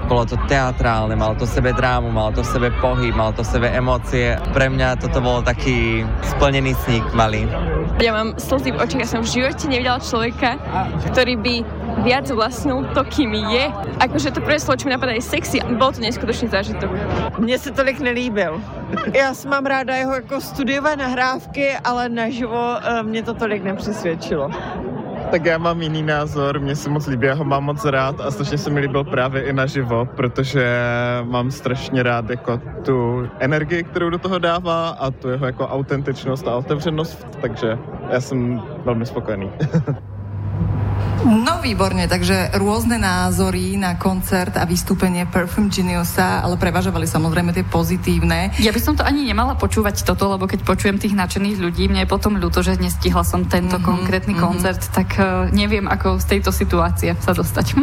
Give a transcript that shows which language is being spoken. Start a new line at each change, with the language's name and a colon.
Slovak: Bolo to teatrálne, malo to v sebe drámu, malo to v sebe pohyb, malo to v sebe emócie. Pre mňa toto bolo taký splnený sník malý. Ja mám slzy v očiach, ja som v živote nevidela človeka, ktorý by viac vlastnil to, kým je. Akože to prvé slovo, čo mi napadá, je sexy. Bolo to neskutočný zážitok.
Czech: Mne sa tolik nelíbil. Ja si mám ráda jeho ako studiové nahrávky, ale naživo mne to tolik nepřesvědčilo. Tak já mám jiný názor, mně se moc líbí, já ho mám moc rád a strašně se mi líbil právě i naživo, protože mám strašně rád jako tu energii, kterou do toho dává a tu jeho jako autentičnost a otevřenost, takže já jsem velmi spokojený.
Slovak: No výborne, takže rôzne názory na koncert a vystúpenie Perfume Geniusa, ale prevažovali samozrejme tie pozitívne. Ja by som to ani nemala počúvať toto, lebo keď počujem tých nadšených ľudí, mne je potom ľúto, že nestihla som tento konkrétny koncert, tak neviem, ako z tejto situácie sa dostať.